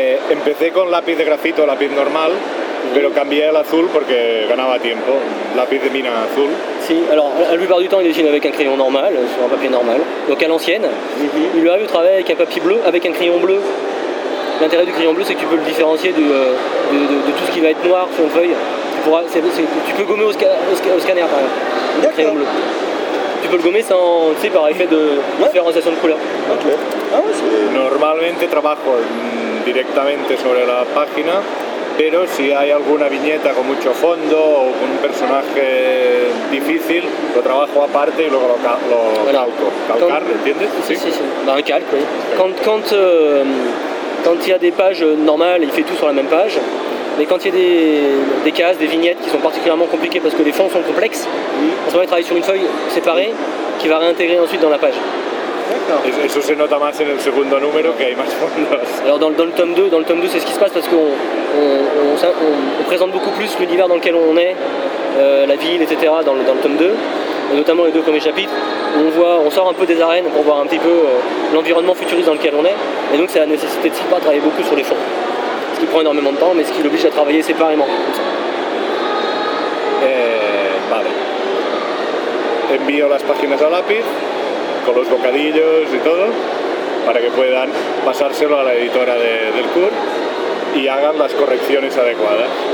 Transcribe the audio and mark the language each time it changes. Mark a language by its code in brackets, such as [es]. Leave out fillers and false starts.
[es] Empecé con lápiz de grafito, lápiz normal, pero cambié al azul porque ganaba tiempo. Lápiz de mina azul. [fr] Sí, alors la plupart du temps, il dessine avec un crayon normal, sur un papier normal, donc à l'ancienne. Mm-hmm. Il lui arrive de travailler avec un papier bleu, avec un crayon bleu. L'intérêt du crayon bleu, c'est que tu peux le différencier de tout ce qui va être noir sur une feuille. Tu peux gommer au scanner, par exemple, le crayon bleu. Tu peux le gommer sans, tu sais, par effet de différenciation de couleur. [en] Okay. [es] Ah, normalmente, trabajo directamente sobre la página, pero si hay alguna viñeta con mucho fondo o con un personaje difícil, lo trabajo aparte y luego calco. Calcar, ¿entiendes? [fr] Sí. Dans un calque, oui. Quand il y a des pages normales, il fait tout sur la même page. Mais quand il y a des cases, des vignettes qui sont particulièrement compliquées parce que les fonds sont complexes, on va travailler sur une feuille séparée qui va réintégrer ensuite dans la page. D'accord. [es] Et ça se nota más en el segundo número que hay más fondos. [fr] Alors dans le tome 2, c'est ce qui se passe parce qu'on présente beaucoup plus l'univers dans lequel on est, la ville, etc. dans le tome 2, et notamment les deux premiers chapitres. On sort un peu des arènes pour voir un petit peu l'environnement futuriste dans lequel on est, et donc ça a nécessité de s'y pas travailler beaucoup sur les fonds. qui prend énormément de temps, mais ce qui l'oblige à travailler séparément. [es] Vale. Envío las páginas a lápiz, con los bocadillos y todo, para que puedan pasárselo a la editora de, del CUR y hagan las correcciones adecuadas.